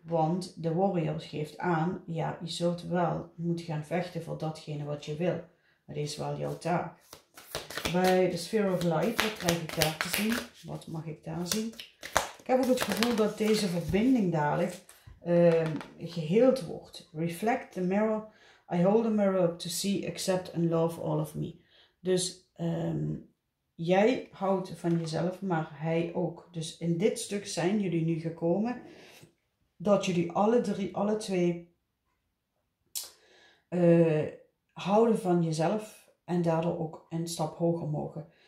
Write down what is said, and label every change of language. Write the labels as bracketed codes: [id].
[nl] Want de warrior geeft aan, ja, je zult wel moeten gaan vechten voor datgene wat je wil. Dat is wel jouw taak. Bij de Sphere of Light, wat krijg ik daar te zien? Wat mag ik daar zien? Ik heb ook het gevoel dat deze verbinding dadelijk geheeld wordt. [en] Reflect the mirror. I hold the mirror up to see, accept and love all of me. [nl] Dus jij houdt van jezelf, maar hij ook. Dus in dit stuk zijn jullie nu gekomen dat jullie alle drie, alle twee houden van jezelf en daardoor ook een stap hoger mogen.